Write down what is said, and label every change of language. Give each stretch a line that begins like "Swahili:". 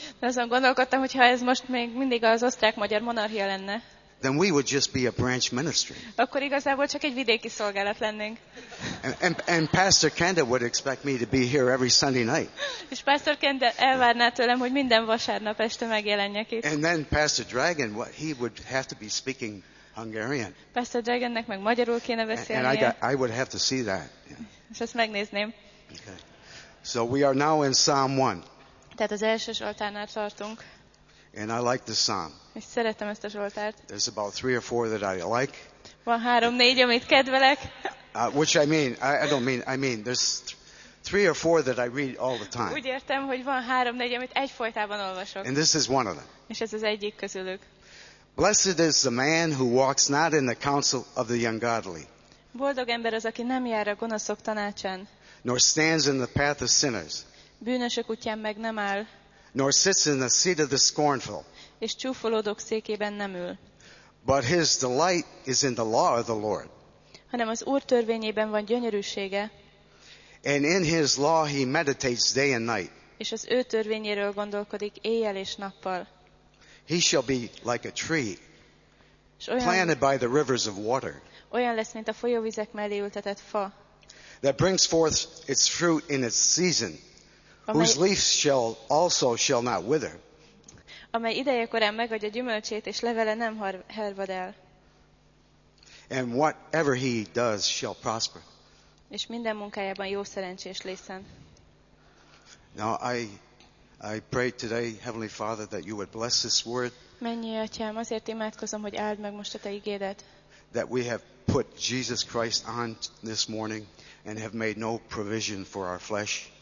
Hungarian: De azon gondolkodtam, hogyha ez most még mindig az osztrák-magyar monarchia lenne.
English: Then we would just be a branch ministry.
Hungarian: Akkor igazából csak egy vidéki szolgálat lennénk.
English: And Pastor Kenda would expect me to be here every Sunday night.
Hungarian: És Pastor Kenda elvárná tőlem, hogy minden vasárnap este megjelenjek itt.
English: And then Pastor Dragan, what he would have to be speaking Hungarian.
Hungarian: Pastor Dragannek meg magyarul kéne beszélnie.
English: And I would have to see that.
Hungarian: És ezt megnézném. Okay.
English: So we are now in Psalm 1.
Hungarian: Tehát az első Zsoltárnál tartunk.
English: And I like the psalm.
Hungarian: És szeretem ezt a Zsoltárt.
English: There's about 3 or 4 that I like.
Hungarian: Van 3-4, amit kedvelek.
English: Which I mean there's 3 or 4 that I read all the time.
Hungarian: Úgy értem, hogy van 3-4, amit egyfolytában olvasok.
English: And this is one of them.
Hungarian: És ez az egyik közülük.
English: Blessed is the man who walks not in the counsel of the ungodly.
Hungarian: Boldog ember az, aki nem jár a gonoszok tanácsán.
English: Nor stands in the path of sinners.
Hungarian: Bűnösök útján meg nem áll.
English: Nor sits in the seat of the scornful.
Hungarian: És csúfolódók székében nem ül.
English: But his delight is in the law of the Lord.
Hungarian: Hanem az Úr törvényében van gyönyörűsége.
English: And in his law he meditates day and night.
Hungarian: És az ő törvényéről gondolkodik éjjel és nappal.
English: He shall be like a tree planted by the rivers of water.
Hungarian: Olyan lesz, mint a folyóvizek mellé ültetett fa.
English: That brings forth its fruit in its season. Whose leaves shall also shall not wither.
Hungarian: Amely idejekorán megadja gyümölcsét, és levele nem hervad el.
English: And whatever he does shall prosper.
Hungarian: És minden munkájában jó szerencsés leszen.
English: Now I pray today, Heavenly Father, that you would bless this word.
Hungarian: Mennyi atyám, azért imádkozom, hogy áld meg most a te igédet.
English: That we have put Jesus Christ on this morning and have made no provision for our flesh.